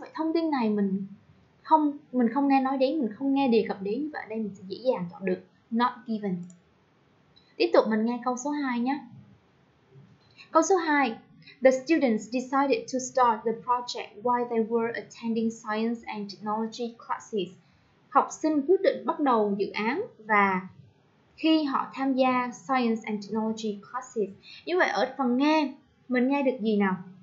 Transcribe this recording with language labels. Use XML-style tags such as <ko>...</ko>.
<vi>Vậy thông tin này mình không nghe nói đến, mình không nghe đề cập đến. Như vậy ở đây mình sẽ dễ dàng chọn được not given. Tiếp tục mình nghe câu số 2 nhé. Câu số 2.</vi> <en>The students decided to start the project while they were attending science and technology classes.</en> <vi>Học sinh quyết định bắt đầu dự án và khi họ tham gia</vi> <en>science and technology classes.</en> <vi>Như vậy ở phần nghe, mình nghe được gì nào?</vi>